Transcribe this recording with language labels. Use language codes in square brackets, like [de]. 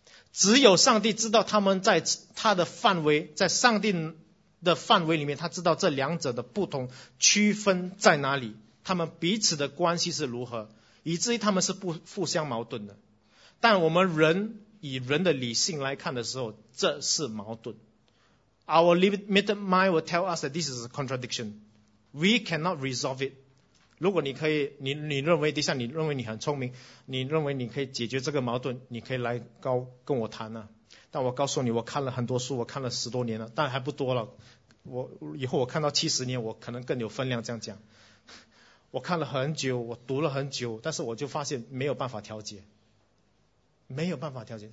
[zh] 只有上帝知道他们在他的范围，在上帝的范围里面，他知道这两者的不同区分在哪里，他们彼此的关系是如何，以至于他们是不互相矛盾的。但我们人以人的理性来看的时候，这是矛盾。 [en] Our limited mind will tell us that this is a contradiction. We cannot resolve it. [zh] 如果你可以，你认为，等一下你认为你很聪明，你认为你可以解决这个矛盾，你可以来跟我谈啊。但我告诉你，我看了很多书，我看了十多年了，但还不多了。我以后我看到七十年，我可能更有分量这样讲。我看了很久，我读了很久，但是我就发现没有办法调节，没有办法调节。